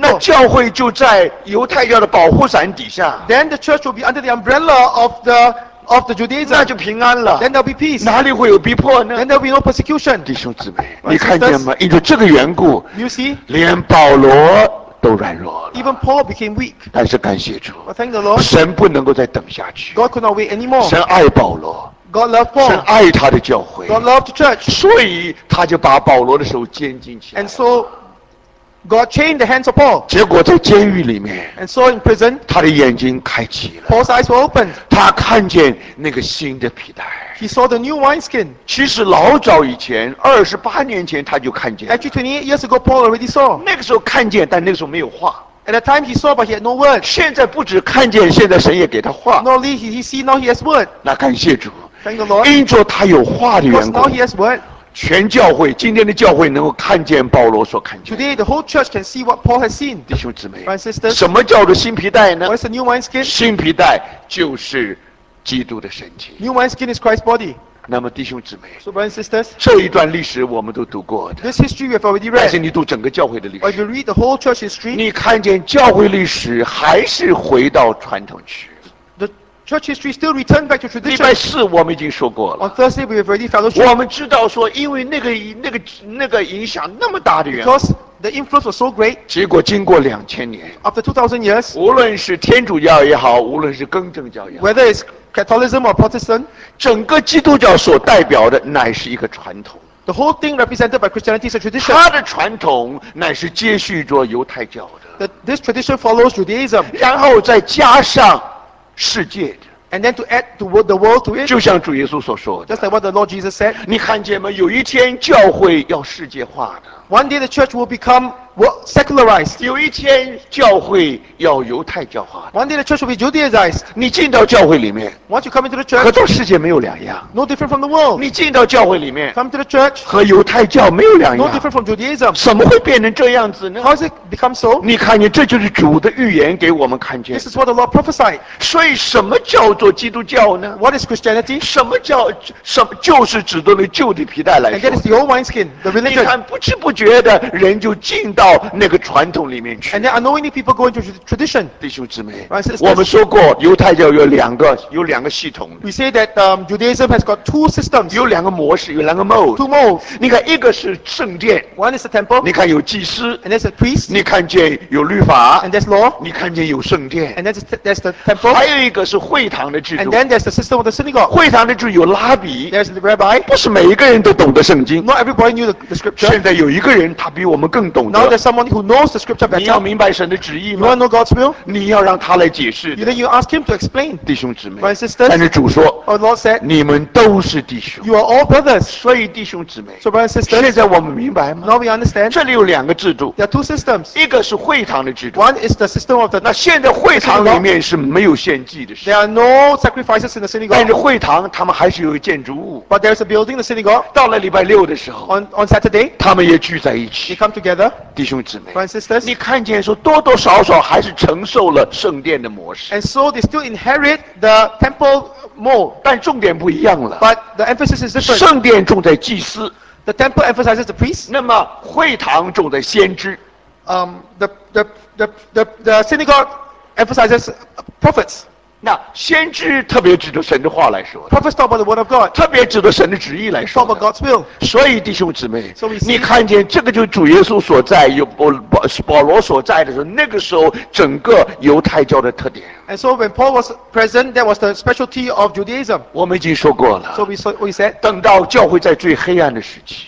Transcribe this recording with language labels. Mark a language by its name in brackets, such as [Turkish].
[Chinese] 那教会就在犹太教的保护伞底下。 [English] Then the church will be under the umbrella of the. Of the Judaism, [Chinese] 那就平安了。 [English] Then there'll be peace. [Chinese] 哪里会有逼迫呢 [English] ？Then there'll be no persecution. [Chinese] 弟兄姊妹，你看见吗？因着这个缘故 [English] ，You see, [Chinese] 连保罗。都软弱了。 [English] Even Paul became weak. [Chinese] 但是感谢主。 [English] But thank the Lord. [Chinese] 神不能够再等下去。 [English] God could not wait anymore. [Chinese] 神爱保罗。 [English] God loved Paul. [Chinese] 神爱他的教会。 [English] God loved the church. [Chinese] 所以他就把保罗的手监禁起来。 [English] And so, God chained the hands of Paul. [Chinese] 结果在监狱里面。 [English] And so in prison. [Chinese] 他的眼睛开启了。 [English] Paul's eyes were opened. [Chinese] 他看见那个新的皮带。 [English] He saw the new wine skin. [Chinese] 其实老早以前，28年前他就看见了。 [English] Actually, 28 years ago, Paul already saw. [Chinese] 那个时候看见，但那个时候没有话。 [English] At the time, he saw, but he had no word. [Chinese] 现在不止看见，现在神也给他话。 [English] Not only he see, now he has word. [Chinese] 那感谢主。 [English] Thank the Lord. [Chinese] 因着他有话的缘故。 [English] Because now he has word. [Chinese] 全教会今天的教会能够看见保罗所看见。 [English] Today, the whole church can see what Paul has seen. [Chinese] 弟兄姊妹。 [English] My sisters. [Chinese] 什么叫做新皮带呢 [English] ？What is the new wine skin? [Chinese] 新皮带就是。基督的身体。 [English] New wine skin is Christ's body. [Chinese] 那么弟兄姊妹。 [English] So brothers and sisters. [Chinese] 这一段历史我们都读过的。 [English] This history we have already read. [Chinese] 但是你读整个教会的历史。 [English] But you read the whole church history. [Chinese] 你看见教会历史还是回到传统去。 [English] The church history still returned back to tradition. [Chinese] 礼拜四我们已经说过了。 [English] On Thursday we have already fellowship. [Chinese] 我们知道说因为那个影响那么大的原因。 [English] Because the influence was so great. [Chinese] 结果经过2000年。 [English] After 2000 years. [Chinese] 无论是天主教也好无论是更正教也好。 [English] Whether it's Catholicism or Protestant, [Chinese] 整个基督教所代表的乃是一个传统。 [English] The whole thing represented by Christianity is a tradition. [Chinese] 它的传统乃是接续着犹太教的。 [English] This tradition follows Judaism. [Chinese] 然后再加上世界的。 [English] And then to add to the world to it. [Chinese] 就像主耶稣所说的。 [English] Just like what the Lord Jesus said. [Chinese] 你看见吗？有一天教会要世界化的。 [English] One day the church will become secularized. [Chinese] 有一天教会要犹太教化。 [English] One day the church will be Judaized. [Chinese] 你进到教会里面。 [English] Once you come into the church. [Chinese] 和这世界没有两样。 [English] No different from the world. [Chinese] 你进到教会里面。 [English] Come to the church. [Chinese] 和犹太教没有两样。 [English] No different from Judaism. [Chinese] 怎么会变成这样子呢？ [English] How has it become so? [Chinese] 你看见这就是主的预言给我们看见。 [English] This is what the Lord prophesied. [Chinese] 所以什么叫做基督教呢？ [English] What is Christianity? [Chinese] 什么叫什么就是指的那旧的皮带来说。 [English] And that is the old wineskin, the religion. [Chinese] 你看不知不觉的人就进到那个传统里面去。 [English] And then unknowingly people go into tradition. [Chinese] 弟兄姊妹， [English] right, so [Chinese] 我们说过犹太教有两个系统。 [English] We say that Judaism has got two systems. [Chinese] 有两个模式，有两个 mode. [English] Two modes. [Chinese] 你看一个是圣殿。 [English] One is the temple. [Chinese] 你看有祭司。 [English] And there's a priest. [Chinese] 你看见有律法。 [English] And there's law. [Chinese] 你看见有圣殿。 [English] And that's the temple. [Chinese] 还有一个是会堂的制度。 [English] And then there's the system of the synagogue. [Chinese] 会堂的制度有拉比。 [English] There's the rabbi. [Chinese] 不是每一个人都懂得圣经。 [English] Not everybody knew the scripture. [Chinese] 现在有一个人他比我们更懂得。 [English] Someone who knows the scripture better. [Chinese] 你要明白神的旨意吗？ [English] You want to know God's will? [Chinese] 你要让他来解释。 [English] Then you ask him to explain. [Chinese] 弟兄姊妹。 [English] My sisters. [Chinese] 但是主说。 [English] Our Lord said. [Chinese] 你们都是弟兄。 [English] You are all brothers. [Chinese] 所以弟兄姊妹。 [English] So my sisters. [Chinese] 现在我们明白吗？ [English] Now we understand. [Chinese] 这里有两个制度。 [English] There are two systems. [Chinese] 一个是会堂的制度。 [English] One is the system of the. [Chinese] 那现在会堂里面是没有献祭的。 [English] There are no sacrifices in the synagogue. [Chinese] 但是会堂他们还是有建筑物。 [English] But there is a building, the synagogue. [Chinese] 到了礼拜六的时候。 [English] On Saturday. [Chinese] 他们也聚在一起。 [English] They come together. [Chinese] 弟兄姊妹， [English] Francis, [Chinese] 你看见说多多少少还是承受了圣殿的模式。 [English] And so they still inherit the temple mode. [Chinese] 但重点不一样了。 [English] But the emphasis is different. [Chinese] 圣殿重在祭司。 [English] The temple emphasizes the priest. [Chinese] 那么会堂重在先知。 [English] The synagogue emphasizes prophets. [Chinese] 那先知特别指着神的话来说。 [English] Prophets talk about the word of God. [Chinese] 特别指着神的旨意来说。 [English] Talk about God's will. [Chinese] 所以弟兄姊妹， [English] so、see, [Chinese] 你看见这个就是主耶稣所在，有保罗所在的时候，那个时候整个犹太教的特点。 [English] And so when Paul was present, that was the specialty of Judaism. [Chinese] 我们已经说过了。 [English] So we said. [Chinese] 等到教会在最黑暗的时期。